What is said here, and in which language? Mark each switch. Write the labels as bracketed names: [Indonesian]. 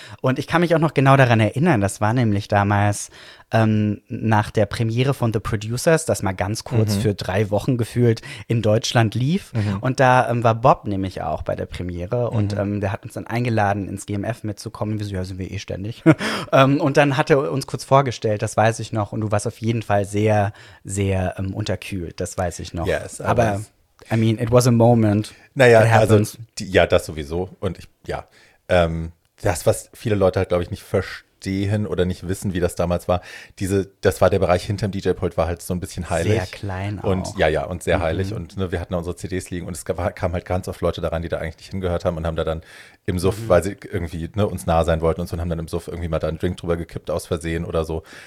[German] Und ich kann mich auch noch genau daran erinnern, das war nämlich damals nach der Premiere von The Producers, das mal ganz kurz für 3 Wochen gefühlt in Deutschland lief. Mhm. Und da war Bob nämlich auch bei der Premiere und der hat uns dann eingeladen, ins GMF mitzukommen. Wir so, ja, sind wir eh ständig. und dann hat er uns kurz vorgestellt, das weiß ich noch. Und du warst auf jeden Fall sehr, sehr unterkühlt, das weiß ich noch. [English] Yes, [German] aber, [English] I mean, it was a moment. [German] Naja, also, ja, das sowieso. Und ich, ja, das, was viele Leute halt, glaube ich, nicht verstehen oder nicht wissen, wie das damals war. Das war der Bereich hinterm DJ-Pult, war halt so ein bisschen heilig. Sehr klein auch. Und ja, und sehr heilig. Und ne, wir hatten da unsere CDs liegen und es kam halt ganz oft Leute daran, die da eigentlich nicht hingehört haben und haben da dann im Suff, weil sie irgendwie ne, uns nahe sein wollten und so, und haben dann im Suff irgendwie mal da einen Drink drüber gekippt aus Versehen oder so.